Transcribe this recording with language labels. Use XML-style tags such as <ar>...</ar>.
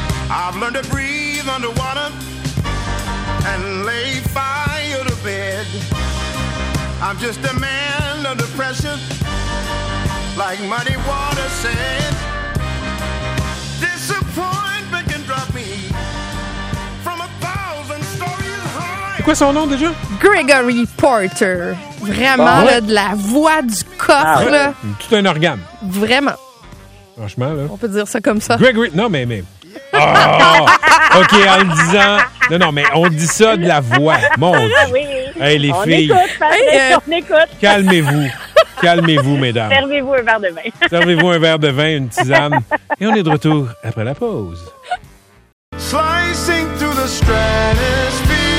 <en>I've learned to breathe underwater and lay fire to bed. I'm just a man under pressure, like muddy water said. Disappointment can drop me from a thousand stories high.</en> <fr>Quoi son nom déjà? Gregory Porter. Vraiment, bon, là, de la voix du coffre. Ah, tout un organe. Vraiment. Franchement, là. On peut dire ça comme ça. Gregory, non, mais... Oh! OK, en le disant... Non, mais on dit ça de la voix. Mon Dieu. Oui, oui. Hey, les on filles. Écoute, hey, on écoute. Calmez-vous. Calmez-vous, mesdames. Servez-vous un verre de vin. Servez-vous un verre de vin, une tisane. Et on est de retour après la pause.</fr> <en>Slicing through the stratosphere.</en>